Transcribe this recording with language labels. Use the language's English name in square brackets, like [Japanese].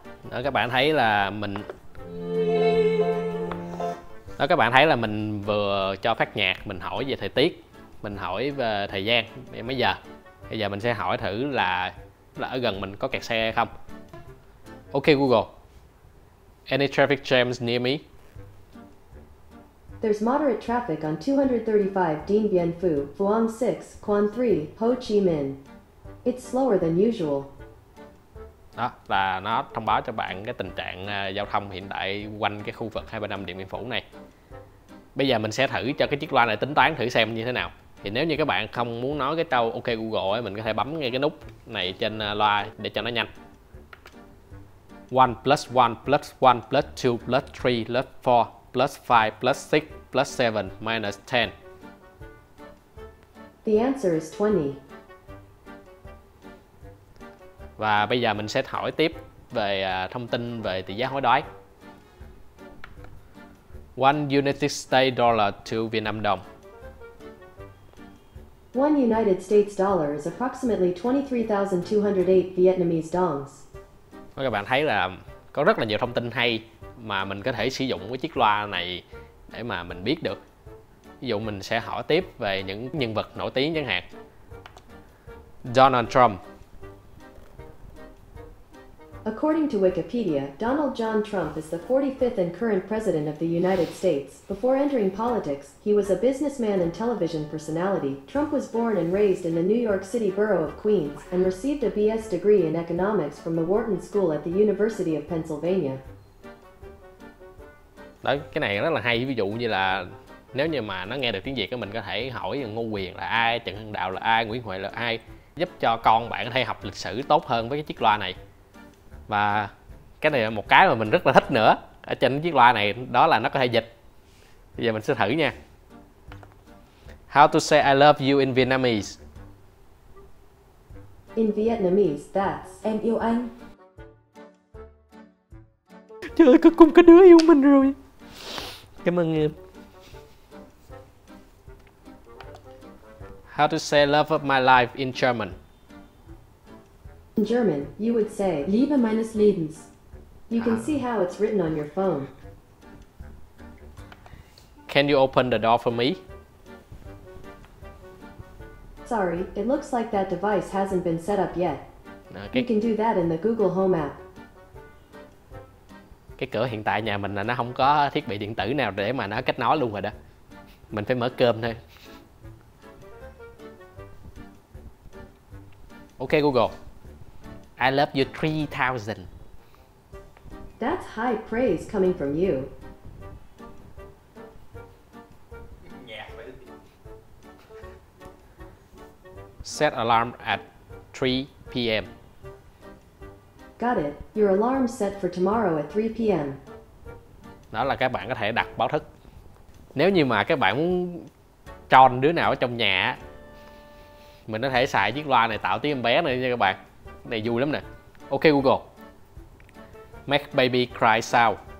[Vietnamese] Đó, các bạn thấy là mình đó, các bạn thấy là mình vừa cho phát nhạc, mình hỏi về thời tiết, mình hỏi về thời gian mấy giờ. Bây giờ mình sẽ hỏi thử là ở gần mình có kẹt xe hay không. [English] Ok Google, any traffic jams near me? There's moderate traffic on 235 Dinh Bien Phu, Phuong 6, Quan 3, Ho Chi Minh. It's slower than usual. [Vietnamese] Đó là nó thông báo cho bạn cái tình trạng giao thông hiện tại quanh cái khu vực 235 Điện Biên Phủ này. Bây giờ mình sẽ thử cho cái chiếc loa này tính toán thử xem như thế nào. Thì nếu như các bạn không muốn nói cái câu OK Google ấy, mình có thể bấm ngay cái nút này trên loa để cho nó nhanh. [English] 1 plus 1 plus 1 plus 2 plus 3 plus 4 plus 5 plus 6 plus 7 minus 10. The answer is 20. [Vietnamese] Và bây giờ mình sẽ hỏi tiếp về thông tin về tỷ giá hối đoái. [English] 1 United States dollar to Việt Nam đồng. 1 United States dollar is approximately 23,208 Vietnamese dongs. [Vietnamese] Các bạn thấy là có rất là nhiều thông tin hay mà mình có thể sử dụng cái chiếc loa này để mà mình biết được. Ví dụ mình sẽ hỏi tiếp về những nhân vật nổi tiếng chẳng hạn. [English] Donald Trump. According to Wikipedia, Donald John Trump is the 45th and current president of the United States. Before entering politics, he was a businessman and television personality. Trump was born and raised in the New York City borough of Queens and received a BS degree in economics from the Wharton School at the University of Pennsylvania. [Vietnamese] Đấy, cái này rất là hay, ví dụ như là nếu như mà nó nghe được tiếng Việt thì mình có thể hỏi Ngô Quyền là ai, Trần Hưng Đạo là ai, Nguyễn Huệ là ai, giúp cho con bạn có thể học lịch sử tốt hơn với cái chiếc loa này. Và cái này là một cái mà mình rất là thích nữa ở trên chiếc loa này, đó là nó có thể dịch. Bây giờ mình sẽ thử nha. [English] How to say I love you in Vietnamese? In Vietnamese, that's [Vietnamese] em yêu anh. Trời ơi, cuối cùng có đứa yêu mình rồi. Cảm ơn em. [English] How to say love of my life in German? In German, you would say [German] Liebe meines Lebens. [English] You can see how it's written on your phone. Can you open the door for me? Sorry, it looks like that device hasn't been set up yet. Okay. You can do that in the Google Home app. [Vietnamese] Cái cửa hiện tại nhà mình là nó không có thiết bị điện tử nào để mà nó kết nối luôn rồi đó. Mình phải mở cơm thôi. [English] OK Google. I love you 3,000. That's high praise coming from you. Set alarm at 3 p.m. Got it. Your alarm set for tomorrow at 3 p.m. [Vietnamese] Đó là các bạn có thể đặt báo thức. Nếu như mà các bạn muốn tròn đứa nào ở trong nhà, mình có thể xài chiếc loa này tạo tiếng em bé này nha các bạn. Này vui lắm nè. [English] OK Google. Make baby cry sound.